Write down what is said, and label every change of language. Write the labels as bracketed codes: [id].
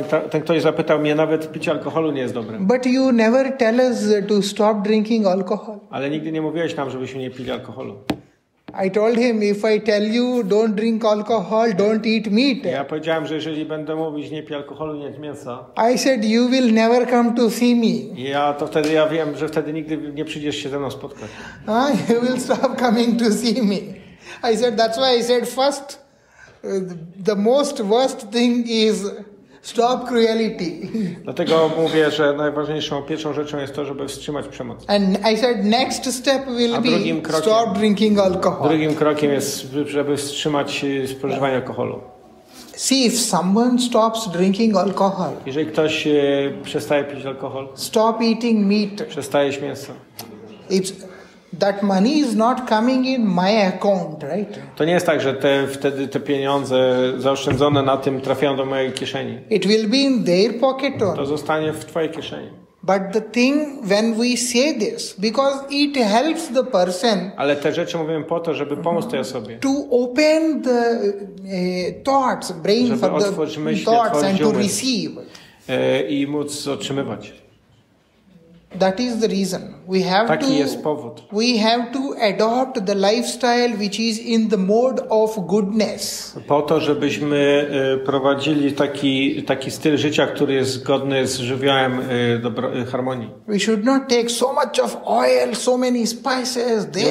[pl] Ten ktoś zapytał mnie, nawet picie alkoholu nie jest dobre. [en] But you never tell us to stop drinking alcohol. [pl] Ale nigdy nie mówiłeś nam, żebyśmy nie pili alkoholu. [en] I told him, if I tell you, don't drink alcohol, don't eat meat. [pl] Ja powiedziałem, że jeżeli będę mówić, nie pij alkoholu, nie jedz mięsa. [en] I said, you will never come to see me. [pl] Ja wiem, że wtedy nigdy nie przyjdziesz się ze mną spotkać. [en] You will stop coming to see me. I said, that's why I said, first, the most worst thing is stop cruelty. [pl] Dlatego mówię, że najważniejszą, pierwszą rzeczą jest to, żeby wstrzymać przemoc. [en] And I said next step will be stop drinking alcohol. [pl] Drugim krokiem jest, żeby wstrzymać spożywanie alkoholu. [en] See if someone stops drinking alcohol. [pl] Jeżeli ktoś przestaje pić alkohol. [en] Stop eating meat. [pl] Przestaje jeść mięso. [en] It's That money is not coming in my account, right? [pl] To nie jest tak, że te wtedy te pieniądze zaoszczędzone na tym trafią do mojej kieszeni. [en] It will be in their pocket only. [pl] To zostanie w twojej kieszeni. [en] But the thing when we say this, because it helps the person. [pl] Ale te rzeczy mówimy po to, żeby pomóc tej osobie. [en] To open the thoughts, brain [pl] żeby [en] for the [pl] myśli, [en] thoughts and to receive. [pl] I móc otrzymywać. [en] That is the reason. We have [pl] taki [en] to [pl] jest powód. [en] We have to adopt the lifestyle which is in the mode of goodness. [pl] Po to, żebyśmy prowadzili taki styl życia, który jest zgodny z żywiołem harmonii. [en] We should not take so much of oil, so many spices,